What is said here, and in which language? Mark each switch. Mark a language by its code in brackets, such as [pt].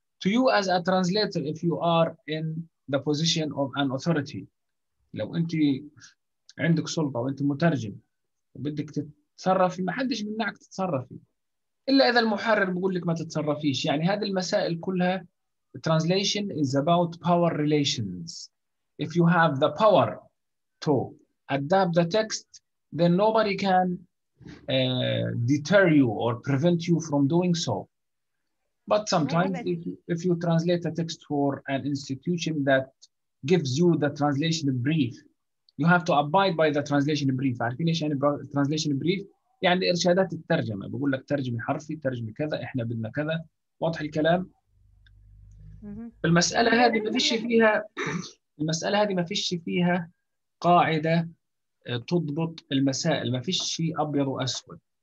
[en] To you as a translator, if you are in the position of an authority. [ar] لو أنت عندك سلطة وأنت مترجم وبدك تتصرفي، ما حدش بيمنعك تتصرفي الا اذا المحرر بيقول لك ما تتصرفيش. يعني هذه المسائل كلها [en] translation is about power relations. If you have the power to adapt the text then nobody can deter you or prevent you from doing so. But sometimes if you translate a text for an institution that gives you the translation brief, you have to abide by the translation brief. [ar] عارفين ايش يعني translation brief؟ يعني ارشادات الترجمه، بقول لك ترجمي حرفي، ترجمي كذا، احنا بدنا كذا، واضح الكلام؟ المساله هذه ما فيش فيها، المساله هذه ما فيش فيها قاعده تضبط المسائل، ما فيش ابيض واسود.